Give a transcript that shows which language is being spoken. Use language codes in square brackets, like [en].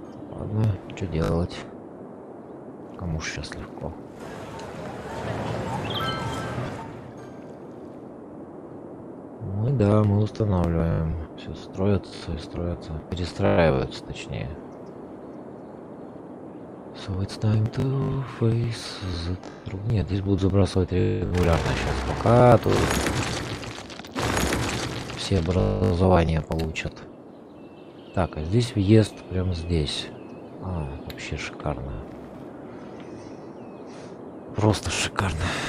[ru] Ладно, что делать? Кому ж сейчас легко? Да, мы устанавливаем. Все строятся и строятся. Перестраиваются, точнее. [en] So it's time to face the truth. [ru] Нет, здесь будут забрасывать регулярно сейчас. Пока тут все образования получат. Так, а здесь въезд прям здесь. А, вообще шикарно. Просто шикарно.